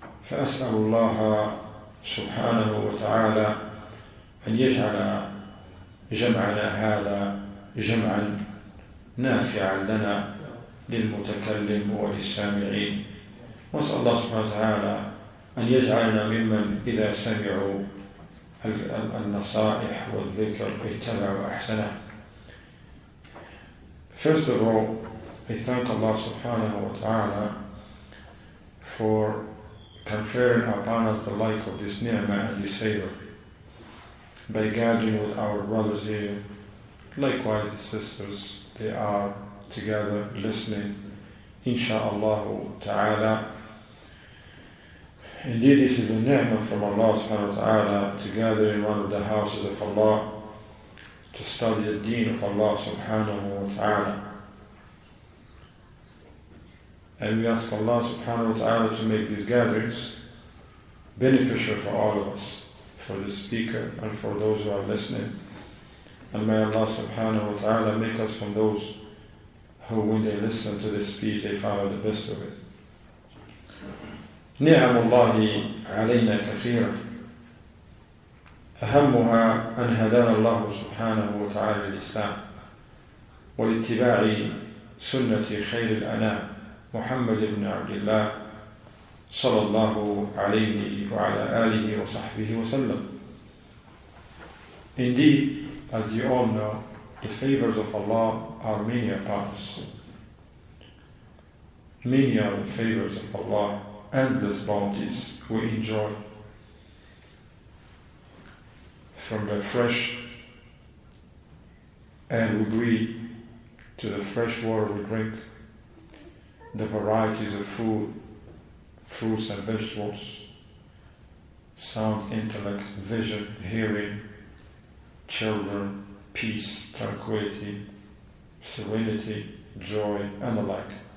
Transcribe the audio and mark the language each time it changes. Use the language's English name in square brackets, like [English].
[Arabic] فأسأل الله سبحانه وتعالى أن يجعل جمعنا هذا جمعا نافعا لنا للمتكلم وللسامعين وأسأل الله سبحانه وتعالى أن يجعلنا ممن إذا سمعوا النصائح والذكر اتبعوا أحسنه. [English] First of all, I thank Allah subhanahu wa ta'ala for conferring upon us the like of this ni'mah and this favor by gathering with our brothers here, likewise the sisters, they are together listening, insha'Allah ta'ala. Indeed, this is a ni'mah from Allah subhanahu wa ta'ala to gather in one of the houses of Allah to study the deen of Allah subhanahu wa ta'ala. And we ask Allah subhanahu wa ta'ala to make these gatherings beneficial for all of us, for the speaker and for those who are listening. And may Allah subhanahu wa ta'ala make us from those who, when they listen to this speech, they follow the best of it. [Arabic] نعم الله علينا كثيرة أهمها أن هدانا الله سبحانه وتعالى للإسلام والاتباع سنة خير الأنام محمد بن عبد الله صلى الله عليه وعلى آله وصحبه وسلم. [English] Indeed, as you all know, the favors of Allah are many upon us. Many are the favors of Allah, endless bounties we enjoy, from the fresh air we breathe to the fresh water we drink, the varieties of food, fruits and vegetables, sound, intellect, vision, hearing, children, peace, tranquility, serenity, joy, and the like.